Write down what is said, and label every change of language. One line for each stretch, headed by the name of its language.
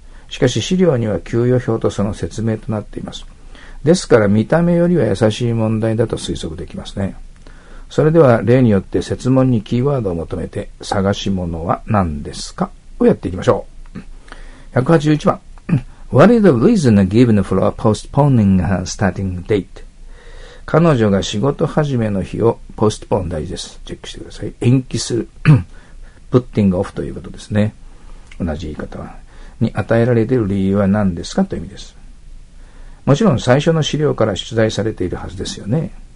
Japanese: しかし資料には給与表とその説明となっています。ですから見た目よりは優しい問題だと推測できますね。それでは例によって設問にキーワードを求めて探し物は何ですかをやっていきましょう。 181番。
English: What is the reason given for postponing her starting date?
Japanese: 彼女が仕事始めの日を postpone 大事です。チェックしてください。延期する。
English: putting off
Japanese: ということですね。同じ言い方は。に与えられている理由は何ですかという意味です。もちろん最初の資料から出題されているはずですよね。